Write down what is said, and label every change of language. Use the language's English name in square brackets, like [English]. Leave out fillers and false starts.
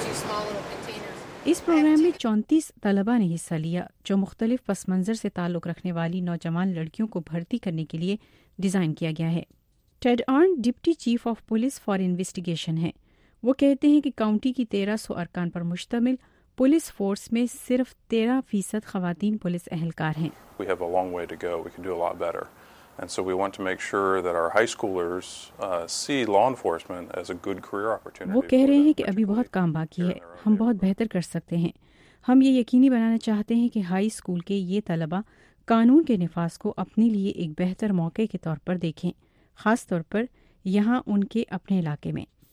[Urdu] اس programme میں 34 طلبا نے حصہ لیا جو مختلف پس منظر سے تعلق رکھنے والی نوجوان لڑکیوں کو بھرتی کرنے کے لیے ڈیزائن کیا گیا ہے. ٹیڈ آرن deputy chief of police for investigation ہیں. وہ کہتے ہیں کہ کاؤنٹی کی 1300 ارکان پر مشتمل پولیس فورس میں صرف 13% خواتین پولیس اہلکار ہیں. [English] We have a long way to go. We can do a lot better. And so we want to make sure that our high schoolers see law enforcement as a good career opportunity. [Urdu] وہ کہہ رہے ہیں کہ ابھی بہت کام باقی ہے, ہم بہت بہتر کر سکتے ہیں. ہم یہ یقینی بنانا چاہتے ہیں کہ ہائی اسکول کے یہ طلبہ قانون کے نفاذ کو اپنے لیے ایک بہتر موقع کے طور پر دیکھیں, خاص طور پر یہاں ان کے اپنے علاقے میں.